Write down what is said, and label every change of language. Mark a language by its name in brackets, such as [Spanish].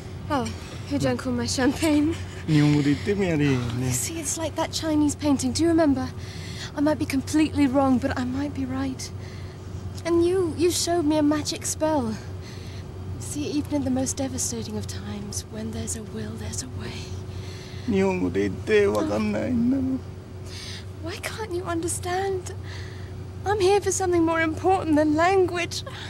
[English] Oh, who drank all my champagne? See, it's like that Chinese painting. Do you remember? I might be completely wrong, but I might be right. And you showed me a magic spell. See, even in the most devastating of times, when there's a will, there's a way. [Japanese] 日本語で言ってわかんないんだ。 [English] Why can't you understand? I'm here for something more important than language.